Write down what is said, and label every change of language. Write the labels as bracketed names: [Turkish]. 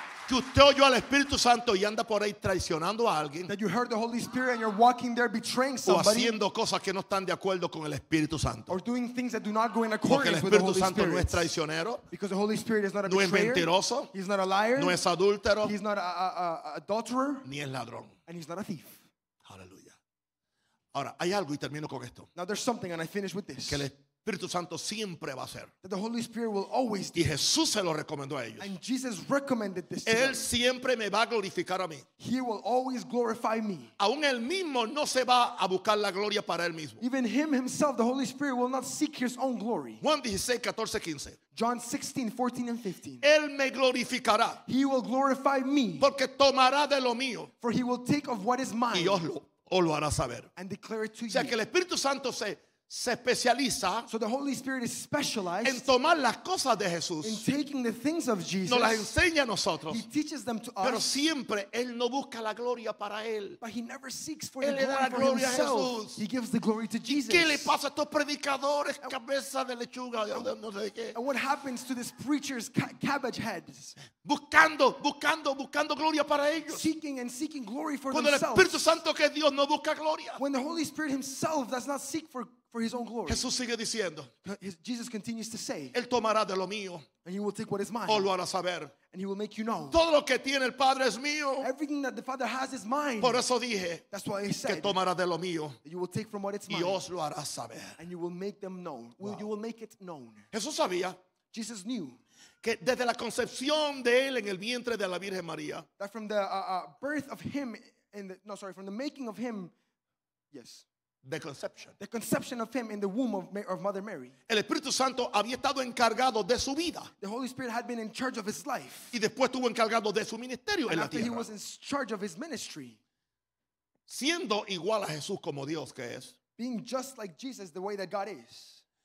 [Spanish] Que usted oyó al Espíritu Santo y anda por ahí traicionando a alguien. [English] That you heard the Holy Spirit and you're walking there betraying somebody. [Spanish] O haciendo cosas que no están de acuerdo con el Espíritu Santo. [English] Or doing things that do not go in accordance with the Holy Spirit. [Spanish] Porque el Espíritu Santo no es traicionero. [English] Because the Holy Spirit is not a betrayer. [Spanish] No es mentiroso. [English] He's not a liar. [Spanish] No es adúltero. [English] He's not an adulterer. [Spanish] Ni es ladrón. [English] And he's not a thief. [Spanish] Aleluya. Ahora, hay algo y termino con esto. [English] Now there's something and I finish with this. [Spanish] Que el Espíritu Santo siempre va a ser. [English] The Holy Spirit will always do. [Spanish] Y Jesús se lo recomendó a ellos. [English] And Jesus recommended this to [Spanish] Él [English] them. [Spanish] Siempre me va a glorificar a mí. [English] He will always glorify me. [Spanish] Aún Él mismo no se va a buscar la gloria para Él mismo. [English] Even Him Himself, the Holy Spirit, will not seek His own glory. [Spanish] Juan 16, 14, 15. [English] John 16, 14 and 15. [Spanish] Él me glorificará. [English] He will glorify me. [Spanish] Porque tomará de lo mío. [English] For He will take of what is mine. [Spanish] Y lo hará saber. [English] And declare it to you. [Spanish] O sea, [English] you. [Spanish] Que el Espíritu Santo se especializa, [English] so the Holy Spirit is specialized [Spanish] en tomar las cosas de Jesús, [English] in taking the things of Jesus. [Spanish] Nos las enseña a nosotros, [English] He teaches them to us. [Spanish] Pero siempre Él no busca la gloria para Él. [English] But He never seeks for [Spanish] Él [English] the glory [Spanish] da la gloria [English] for Himself. [Spanish] A Jesús. [English] He gives the glory to Jesus. [Spanish] ¿Qué le pasa a estos predicadores cabeza de lechuga? No sé qué. [English] And what happens to these preachers' cabbage heads? [Spanish] Buscando gloria para ellos. [English] Seeking and seeking glory for [Spanish] Cuando [English] themselves. [Spanish] Cuando el Espíritu Santo que Dios no busca gloria. [English] When the Holy Spirit Himself does not seek for His own glory. [Spanish] Jesús sigue diciendo, [English] Jesus continues to say, [Spanish] Él tomará de lo mío, [English] and He will take what is mine, [Spanish] o lo hará saber. [English] And He will make you know, [Spanish] todo lo que tiene el Padre es mío, [English] everything that the Father has is mine. [Spanish] Por eso dije, [English] that's why He said, [Spanish] que tomará de lo mío, [English] that you will take from what is mine, [Spanish] y os lo hará saber. [English] And you will make them known. Wow. You will make it known. [Spanish] Jesús sabía, [English] Jesus knew, [Spanish] que desde la concepción de Él en el vientre de la Virgen María, [English] that from the birth of Him, from the making of Him, yes, The conception of Him in the womb of Mother Mary. [Spanish] El Espíritu Santo había estado encargado de su vida. [English] The Holy Spirit had been in charge of His life. [Spanish] Y después estuvo encargado de su ministerio en la tierra. [English] And after He was in charge of His ministry. [Spanish] Siendo igual a Jesús como Dios que es. [English] Being just like Jesus the way that God is.